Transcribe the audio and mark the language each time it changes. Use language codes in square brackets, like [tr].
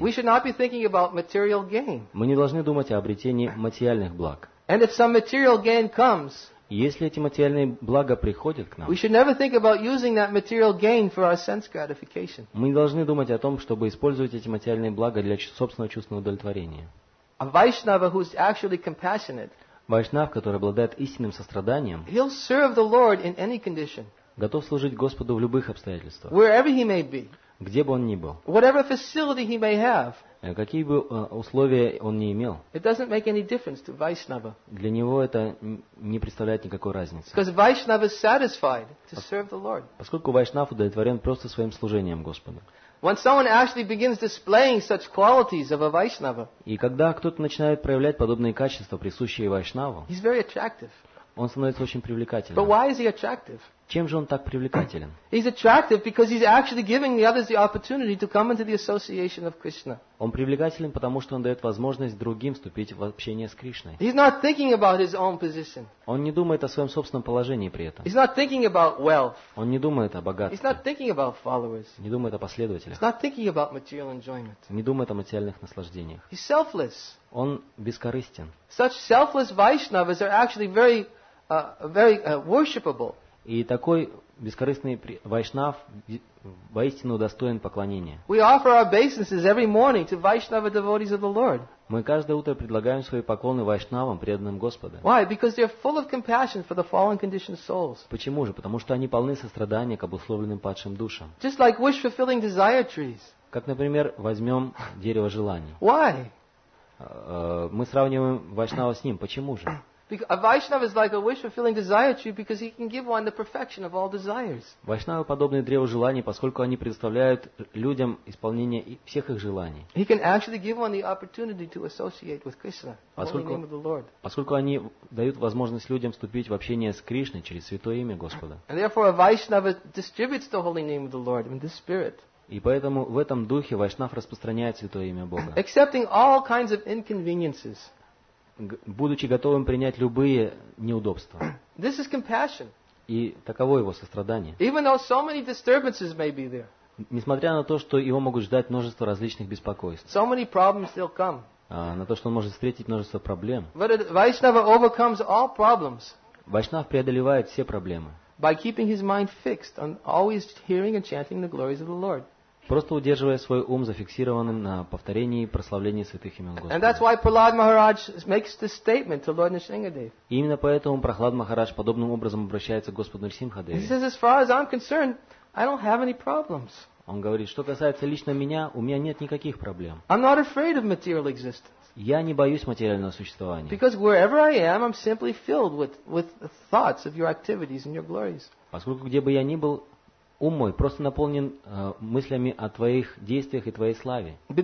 [en] we should not be thinking about material gain. [ru] Мы не должны думать о обретении материальных благ. [en] And if some material gain comes, [ru] если эти материальные блага приходят к нам, [en] we should never think about using that material gain for our sense gratification. [ru] Мы не должны думать о том, чтобы использовать эти материальные блага для собственного чувственного удовлетворения. [en] A Vaishnava who is actually compassionate, [ru] Вайшнав, который обладает истинным состраданием, [en] he'll serve the Lord in any condition, [ru] готов служить Господу в любых обстоятельствах, [en] wherever he may be, [ru] где бы он ни был, [en] whatever facility he may have, [ru] какие бы условия он ни имел, [en] it doesn't make any difference to Vaishnava. [ru] Для него это не представляет никакой разницы. [en] Because Vaishnava is satisfied to serve the Lord. [ru] Поскольку Вайшнав удовлетворен просто своим служением Господу. [en] When someone actually begins displaying such qualities of a Vaishnava, [ru] и когда кто-то начинает проявлять подобные качества, присущие Вайшнаву, [en] he's very attractive. [ru] Он становится очень привлекательным. [en] But why is he attractive? [ru] Чем же он так привлекателен? [en] He's attractive because he's actually giving the others the opportunity to come into the association of Krishna. [ru] Он привлекателен, потому что он дает возможность другим вступить в общение с Кришной. [en] He's not thinking about his own position. [ru] Он не думает о своем собственном положении при этом. [en] He's not thinking about wealth. [ru] Он не думает о богатстве. [en] He's not thinking about followers. [ru] Не думает о последователях. [en] He's not thinking about material enjoyment. [ru] Не думает о материальных наслаждениях. [en] He's selfless. [ru] Он бескорыстен. [en] Such selfless Vaishnavas are actually very worshipable. [ru] И такой бескорыстный вайшнав воистину достоин поклонения. [en] We offer our obeisances every morning to Vaishnava devotees of the Lord. [ru] Мы каждое утро предлагаем свои поклоны вайшнавам, преданным Господу. [en] Why? Because they are full of compassion for the fallen conditioned souls. [ru] Почему же? Потому что они полны сострадания к обусловленным падшим душам. [en] Just like wish fulfilling desire trees. [ru] Как, например, возьмем дерево желаний. [en] Why? [ru] Мы сравниваем вайшнава с ним. Почему же? [en] A Vaishnava is like a wish-fulfilling desire tree because he can give one the perfection of all desires. [ru] Вайшнавы подобны древу желаний, поскольку они представляют людям исполнение всех их желаний. [en] He can actually give one the opportunity to associate with Krishna, the name of the Lord. [ru] Поскольку они дают возможность людям вступить в общение с Кришной через святое имя Господа. [en] And therefore, a Vaishnava distributes the holy name of the Lord in this spirit. [ru] И поэтому в этом духе вайшнав распространяет святое имя Бога. [en] Accepting all kinds of inconveniences. [ru] Будучи готовым принять любые неудобства. [en] This is compassion. [ru] И таково его сострадание. [en] Even though so many disturbances may be there. [ru] Несмотря на то, что его могут ждать множество различных беспокойств. [en] So many problems still come. [ru] На то, что он может встретить множество проблем. [en] But Vaishnava overcomes all problems. [ru] Вайшнав преодолевает все проблемы. [en] By keeping his mind fixed on always hearing and chanting the glories of the Lord. [ru] Просто удерживая свой ум зафиксированным на повторении и прославлении святых имен Господа. [en] And that's why Prahlad Maharaj makes this statement to Lord Nrisimhadev. [ru] И именно поэтому Прохлад Махарадж подобным образом обращается к Господу Нрисимхадеве. [en] He says, as far as I'm concerned, I don't have any problems. [ru] Он говорит, что касается лично меня, у меня нет никаких проблем. [en] I'm not afraid of material existence. [ru] Я не боюсь материального существования. [en] Because wherever I am, I'm simply filled with thoughts of your activities and your glories. [ru] Поскольку где бы я ни был, ум мой просто наполнен мыслями о твоих действиях и твоей славе.